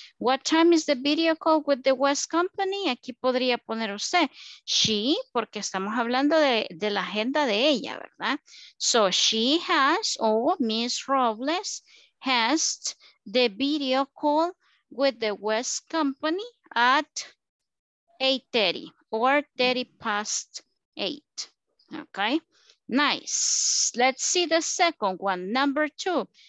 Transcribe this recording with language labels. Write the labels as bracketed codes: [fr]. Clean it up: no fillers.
[en] What time is the video call with the West Company? [es] Aquí podría poner usted, she, porque estamos hablando de la agenda de ella, ¿verdad? [en] So she has, or Miss Robles has the video call with the West Company at 8:30 or 30 past 8, okay? Nice. Let's see the second one. Number two.